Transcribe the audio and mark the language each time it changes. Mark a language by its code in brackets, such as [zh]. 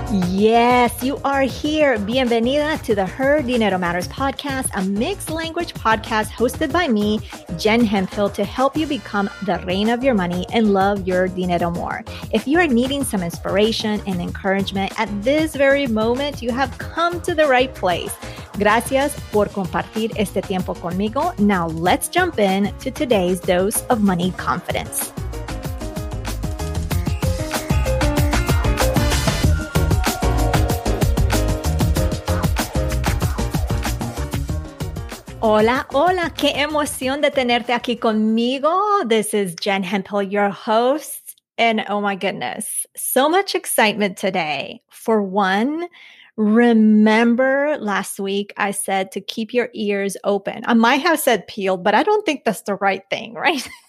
[en] Yes, you are here. Bienvenida to the Her Dinero Matters podcast, a mixed language podcast hosted by me, Jen Hemphill, to help you become the reina of your money and love your dinero more. If you are needing some inspiration and encouragement at this very moment, you have come to the right place. [es] Gracias por compartir este tiempo conmigo. [en] Now let's jump in to today's dose of money confidence. [es] Hola, hola, qué emoción de tenerte aquí conmigo. [en] This is Jen Hemphill, your host. And oh my goodness, so much excitement today. For one, remember last week I said to keep your ears open. I might have said peeled, but I don't think that's the right thing, right?